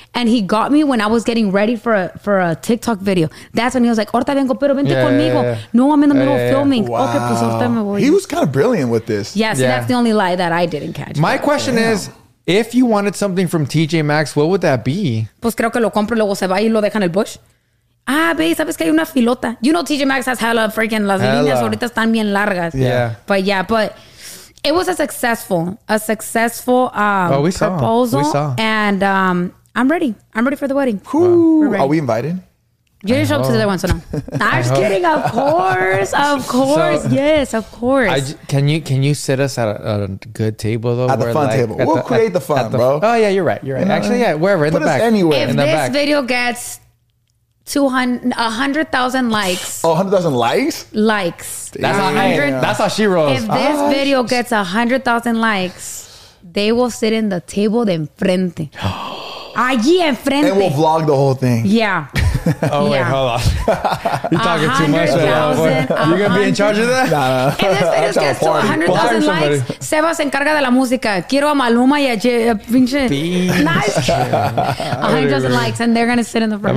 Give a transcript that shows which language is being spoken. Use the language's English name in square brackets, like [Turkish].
[English] And he got me when I was getting ready for a TikTok video. That's when he was like, [Spanish] orta vengo, pero vente conmigo. [English] Yeah, yeah. No, I'm in the middle of filming. Wow. Okay, [Spanish] pues orta me voy. [English] He was kind of brilliant with this. Yes, yeah. That's the only lie that I didn't catch. My question is, if you wanted something from TJ Maxx, what would that be? [Spanish] Pues creo que lo compro, luego se va y lo deja en el bush. Ah, babe, sabes que hay una filota. [English] You know TJ Maxx has hella freaking, [Spanish] las líneas ahorita están bien largas. [English] Yeah. But yeah, but it was a successful proposal. We saw. And I'm ready. I'm ready for the wedding. Wow. Are we invited? You didn't show up to the other one, so no. I'm just kidding. Of course. Of course. So, yes, of course. Can you sit us at a good table, though? At the fun table. We'll create the fun, bro. Oh, yeah, you're right. You're right. Actually, yeah, wherever. In the back. Put us anywhere. If this video gets 100,000 likes. Oh, 100,000 likes? Likes. That's how, that's how she rolls. If this video gets 100,000 likes, they will sit in the table [Spanish] de enfrente. Allí enfrente. [English] And we'll vlog the whole thing. Yeah. Oh, wait, hold on. You're talking too much. Right now, you're going to be in charge of that? Nah. If this video gets to 100,000 likes, Seba [Spanish] se encarga de la música. Quiero a Maluma y a pinche. [English] Nice. 100,000 likes, and they're going to sit in the front.